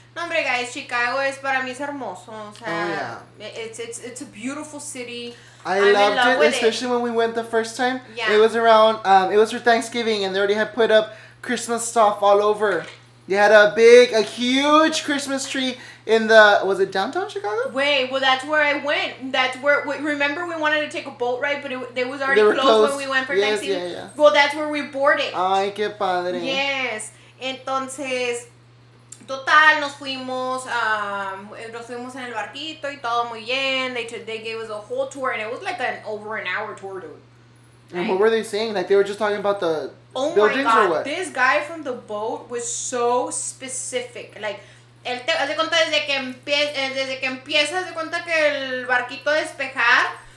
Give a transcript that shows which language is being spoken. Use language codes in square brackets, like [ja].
[es] No, hombre, guys, Chicago es para mí es hermoso. O sea, [en] it's a beautiful city. I loved it, especially when we went the first time. Yeah. It was around, it was for Thanksgiving, and they already had put up Christmas stuff all over. They had a huge Christmas tree in the, was it downtown Chicago? Wait, well, that's where I went. That's where, remember we wanted to take a boat ride, but it was already closed when we went for Thanksgiving. Yeah, yeah. Well, that's where we boarded. [es] Ay, qué padre. [en] Yes. [es] Entonces, total, nos fuimos en el barquito y todo muy bien. [en] They gave us a whole tour and it was like over an hour tour, dude. And right? What were they saying? Like they were just talking about the buildings or what? Oh my God, this guy from the boat was so specific. [es] Like, él te hace cuenta desde que empieza, hace cuenta que el barquito despejar.